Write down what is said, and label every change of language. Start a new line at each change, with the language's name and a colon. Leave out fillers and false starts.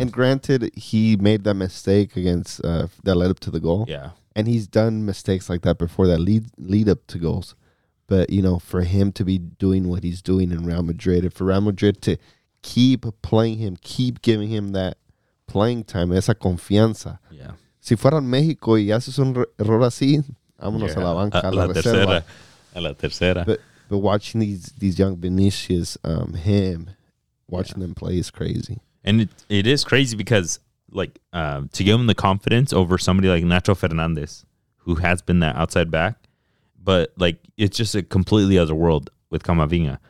English: And granted, he made that mistake against that led up to the goal. Yeah. And he's done mistakes like that before that lead up to goals. But, you know, for him to be doing what he's doing in Real Madrid, and for Real Madrid to keep playing him, keep giving him that playing time,
Spanish: esa confianza.
English: Yeah.
Spanish: Si fueran México y haces un error así, vámonos a la banca, a la reserva. A la tercera.
English: But watching these young Vinicius, watching them play is crazy. And it is crazy because, to give him the confidence over somebody like Nacho Fernandez, who has been that outside back, but, it's just a completely other world with Camavinga.